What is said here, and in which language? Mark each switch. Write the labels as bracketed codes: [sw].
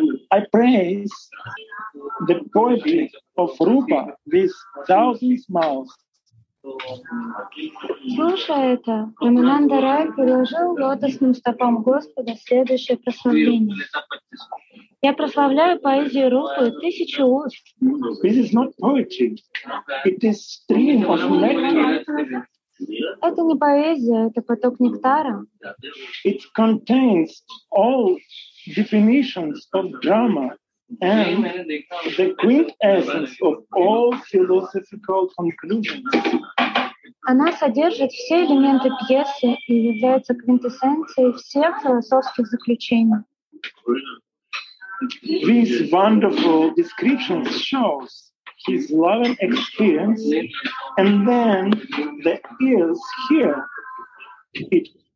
[en] I praise the poetry of Rupa with thousands of mouths. [ru] Слушая это, Рамананда Рай приложил лотосным стопам Господа следующее прославление. Я прославляю поэзию Рупы тысячу уст. [en] This is not poetry. It is stream of nectar. [ru] Это не поэзия, это поток нектара. [en] It contains all definitions of drama and the quintessence of all philosophical conclusions. [ru] Она содержит все элементы пьесы и является квинтэссенцией всех философских заключений. [en] This wonderful description shows his loving experience and then the ears hear it.